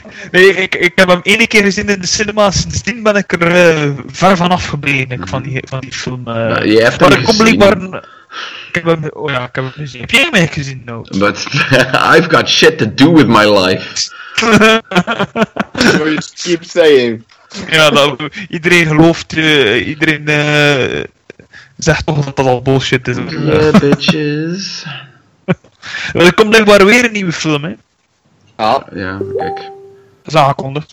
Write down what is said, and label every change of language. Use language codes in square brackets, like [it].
[nl] Nee, ik heb hem één keer gezien in de cinema, sindsdien ben ik er ver van afgebleven van die film. Je hebt maar hem gezien. Ik heb hem gezien. Heb jij hem echt gezien? No. [en] But I've got shit to do with my life. So you keep saying. [nl] Ja, dat, iedereen gelooft, iedereen zegt toch dat dat al bullshit is. [en] Yeah, bitches. [nl] Er komt blijkbaar weer een nieuwe film, hè. Ja. Ja, kijk. Dat is aangekondigd.